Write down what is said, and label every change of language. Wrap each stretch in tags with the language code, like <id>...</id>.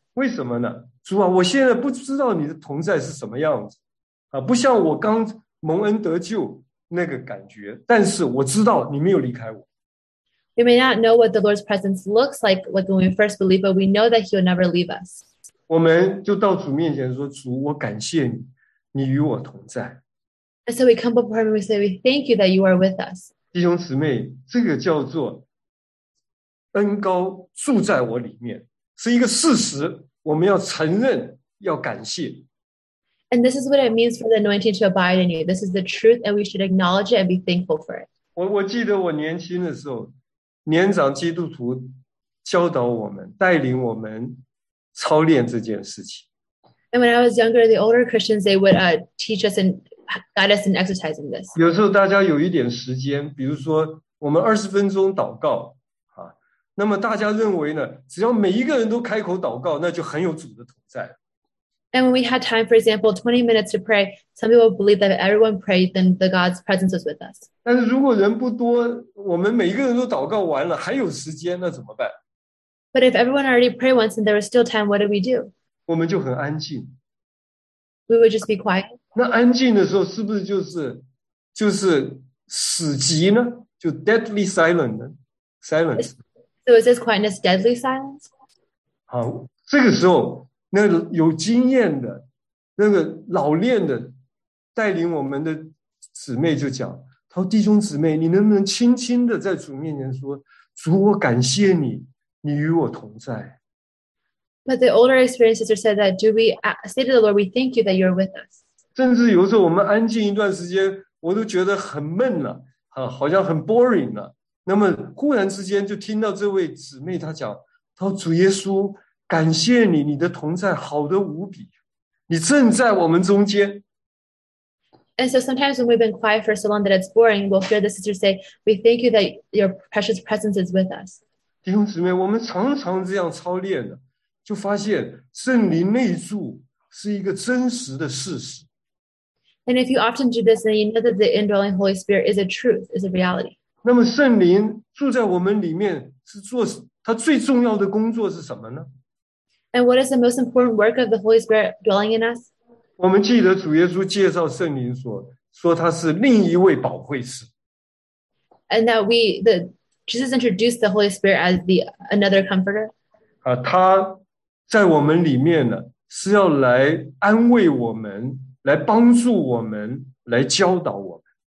<zh>为什么呢？主啊，我现在不知道你的同在是什么样子，不像我刚蒙恩得救那个感觉，但是我知道你没有离开我。</zh> <en>We may not know what the Lord's presence looks like when we first believe, but we know that He'll never leave us.</en> <zh>我们就到主面前说，主，我感谢你，你与我同在。</zh> <en>And so we come before him and we say, we thank you that you are with us.</en> <zh>弟兄姊妹，这个叫做恩膏住在我里面，是一个事实，我们要承认，要感谢。</zh> <en>And this is what it means for the anointing to abide in you. This is the truth and we should acknowledge it and be thankful for it.</en> <zh>我记得我年轻的时候，年长基督徒教导我们，带领我们操练这件事情。</zh> <en>And when I was younger, the older Christians, they would teach us and guide us in exercising this.</en> <zh>有时候大家有一点时间，比如说我们二十分钟祷告，那么大家认为呢，只要每一个人都开口祷告，那就很有主的同在。</zh> <en>And when we had time, for example, 20 minutes to pray, some people believe that if everyone prayed, then the God's presence was with us.</en> <zh>但是如果人不多，我们每一个人都祷告完了，还有时间，那怎么办？</zh> <en>But if everyone already prayed once and there was still time, what do we do?</en> <zh>我们就很安静。</zh> <en>We would just be quiet.</en> <zh>那安静的时候是不是就是死寂呢？就</zh> <en>deadly silent</en> <zh>呢？</zh> <en>Silence. So is this quietness deadly silence?</en> <zh>好，这个时候那有经验的那个老练的带领我们的姊妹就讲，他说，弟兄姊妹，你能不能轻轻的在主面前说，主，我感谢你，你与我同在。</zh> <en>But the older experiences are said that do we say to the Lord, we thank you that you are with us.</en> <zh>甚至有时候我们安静一段时间，我都觉得很闷了，好像很 boring 了。那么忽然之间就听到这位姊妹她讲，她说，主耶稣，感谢你，你的同在好得无比，你正在我们中间。</zh> <en>And so sometimes when we've been quiet for so long that it's boring, we'll hear the sister say, we thank you that your precious presence is with us.</en> <zh>弟兄姊妹，我们常常这样操练的，就发现圣灵内住是一个真实的事实。</zh> <en>And if you often do this, then you know that the indwelling Holy Spirit is a truth, is a reality.</en> <zh>那么圣灵住在我们里面是做他最重要的工作是什么呢？</zh> <en>And what is the most important work of the Holy Spirit dwelling in us?</en> <zh>我们记得主耶稣介绍圣灵说他是另一位保惠师。</zh> <en>And that Jesus introduced the Holy Spirit as another comforter.</en> <zh>他在我们里面呢，是要来安慰我们，来帮助我们，来教导我们。</zh>